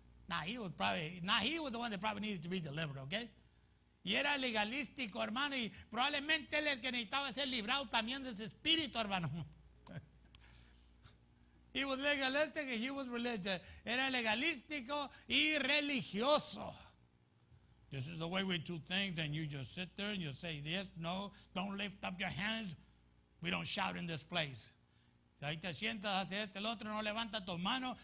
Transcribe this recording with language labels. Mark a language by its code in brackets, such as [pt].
[en] Now he was the one that probably needed to be delivered, okay? [es] Y era legalístico, hermano, y probablemente él es el que necesitaba ser librado también de ese espíritu, hermano. [en] He was legalistic and he was religious. [es] Era legalístico y religioso. [en] This is the way we do things, and you just sit there and you say yes, no, don't lift up your hands. We don't shout in this place. [es] Ahí te sientas, haces este, el otro, no levanta tus manos.